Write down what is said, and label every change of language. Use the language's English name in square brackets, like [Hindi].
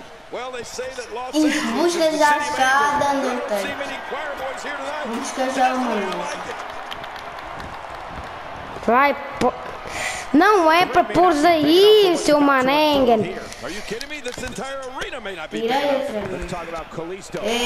[English] Well, they say that lots of people see many choir boys here tonight. [Portuguese] Vai, pô. Não é para pôr aí, seu Manengen. [English] Are you kidding me? This entire arena may not be here. Let's talk about Kalisto.